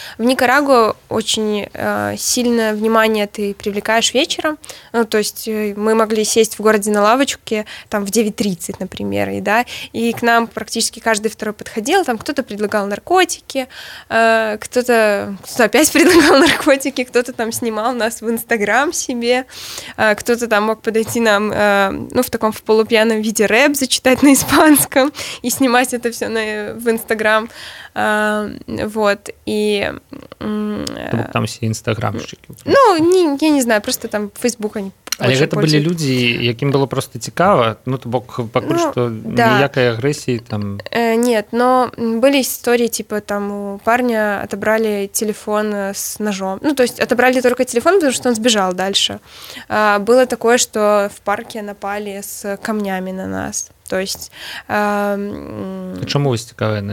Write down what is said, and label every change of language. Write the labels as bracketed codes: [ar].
[ru] В Никарагуа очень сильное внимание ты привлекаешь вечером, ну, то есть мы могли сесть в городе на лавочке там в 9:30, например, и, да, и к нам практически каждый второй подходил, там кто-то предлагал наркотики, кто-то опять предлагал наркотики, кто-то там снимал нас в Инстаграм себе, кто-то там мог подойти нам ну, в таком в полупьяном виде рэп зачитать на испанском и снимать это все в Инстаграм. Вот. И... Там все инстаграмщики. Ну, я не знаю, просто там Фейсбук они [be] Але гэта былі людзі, якім было проста цікава, ну, то бок, пакуль што ніякай агрэсіі там... [ru] Нет, но былі історії, типа, там, у парня отобрали телефон с ножом. Ну, то есть, отобрали только телефон, потому что он сбежал дальше. Было такое, что в парке напали с камнями на нас. То есть... [be] А чому вы стекавены?